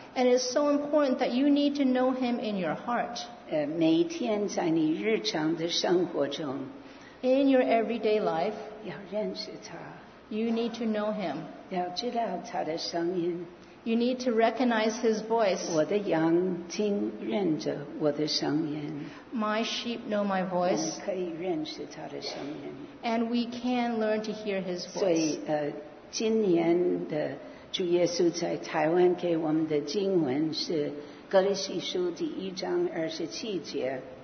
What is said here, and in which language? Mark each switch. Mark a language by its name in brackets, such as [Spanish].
[English] And it's so important that you need to know him in your heart. [Chinese] 每天在你日常的生活中。 [English] In your everyday life, [Chinese] 要认识他, [English] you need to know him. [Chinese] 要知道他的声音, [English] you need to recognize his voice. [Chinese] 我的羊听认着我的声音, [English] my sheep know my voice. [Chinese] 我们可以认识他的声音, [English] and we can learn to hear his voice. [Chinese] 所以, 今年的主耶稣在台湾给我们的经文是《格罗西书》第1章27节。